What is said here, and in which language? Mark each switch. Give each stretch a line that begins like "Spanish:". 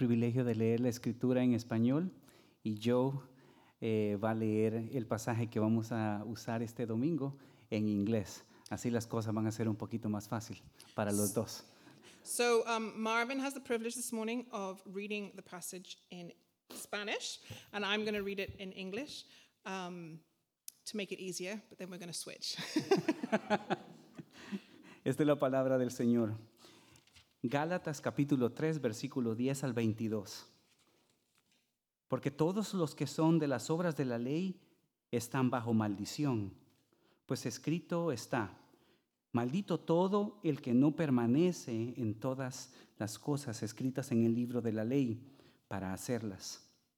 Spanish: privilegio de leer la escritura en español y Joe va a leer el pasaje que vamos a usar este domingo en inglés. Así las cosas van a ser un poquito más fácil para los dos.
English: So Marvin has the privilege this morning of reading the passage in Spanish, and I'm going to read it in English to make it easier, but then we're going to switch.
Spanish: Esta es la palabra del Señor. Gálatas capítulo 3, versículo 10 al 22. Porque todos los que son de las obras de la ley están bajo maldición, pues escrito está: maldito todo el que no permanece en todas las cosas escritas en el libro de la ley para hacerlas.